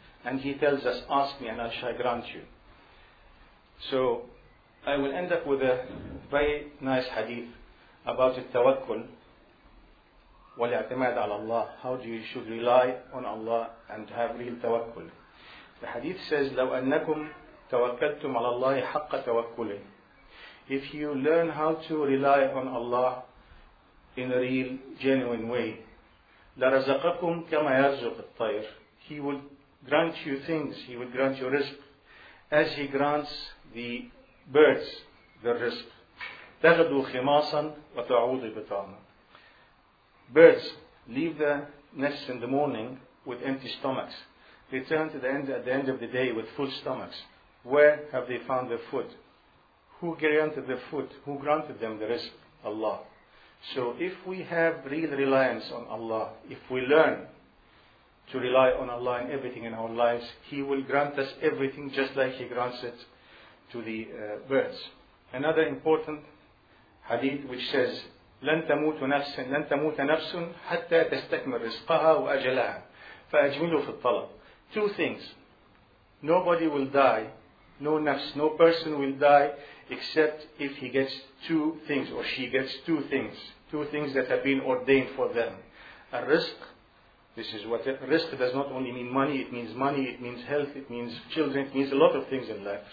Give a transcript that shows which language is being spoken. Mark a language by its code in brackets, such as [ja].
[en] And He tells us, ask me and I shall grant you. So, I will end up with a very nice hadith about the tawakkul. [ar] وَلِاعْتِمَادَ عَلَى اللَّهِ. [en] How do you should rely on Allah and have real tawakkul? The hadith says, [ar] لَوْ أَنَّكُمْ تَوَكَّلْتُمْ عَلَى اللَّهِ حَقَّ تَوَكُّلِ. [en] If you learn how to rely on Allah in a real, genuine way, [ar] لَرَزَقَكُمْ كَمَا يَرْزُقُ الطَّيْرِ. [en] He will grant you things, He will grant you rizq, as He grants the birds the rizq. [ar] تَغْدُو خِمَاصًا وَتَعُوضِ بِطَعْمًا. [en] Birds leave their nests in the morning with empty stomachs. They turn to the end at the end of the day with full stomachs. Where have they found their food? Who granted their food? Who granted them the rizq? Allah. So if we have real reliance on Allah, if we learn to rely on Allah in everything in our lives. He will grant us everything just like He grants it to the birds. Another important hadith which says, [ar] لن تموت نفس حتى تستكمل رزقها وأجلها فأجمله في الطلب. [en] Two things. Nobody will die, no nafs, no person will die except if he gets two things or she gets two things that have been ordained for them. A rizq, this is what rizq does not only mean money, it means money, it means health, it means children, it means a lot of things in life.